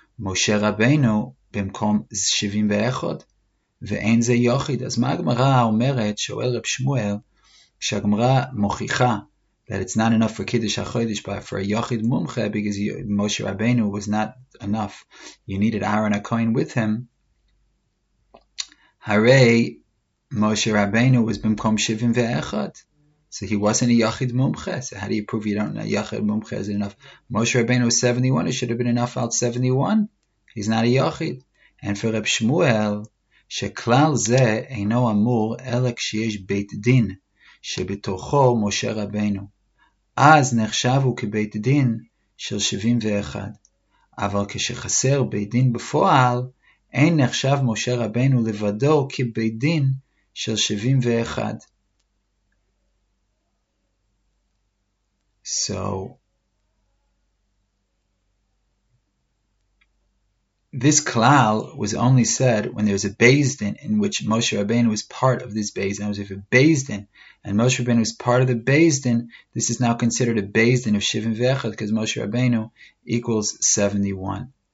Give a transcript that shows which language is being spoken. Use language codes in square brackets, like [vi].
[he] Moshe Rabbeinu במקום 71, ואין זה יוחיד. [en] אז מה הגמרא אומרת, שואל רב שמואל, כשהגמרא מוכיחה, that it's not enough for Kiddush HaChodesh, but for a יוחיד מומחה, because Moshe Rabbeinu was not enough, you needed Aaron HaKohen with him, הרי Moshe Rabbeinu was במקום 71, so he wasn't a יוחיד מומחה, so how do you prove you don't know יוחיד מומחה is enough? Moshe Rabbeinu was 71, it should have been enough out 71, he's not a yachid. And for Reb Shmuel, [he] שכלל זה אינו אמור אלא כשיש בית דין שבתוכו משה רבנו. אז נחשבו כבית דין של 71. אבל כשחסר בית דין בפועל, אין נחשב משה רבנו לבדו כבית דין של 71. [en] So, this klal was only said when there was a Beis Din in which Moshe Rabbeinu was part of this Beis Din. If a Beis Din and Moshe Rabbeinu was part of the Beis Din, this is now considered a Beis Din of Shivim Ve'echad because Moshe Rabbeinu equals 71.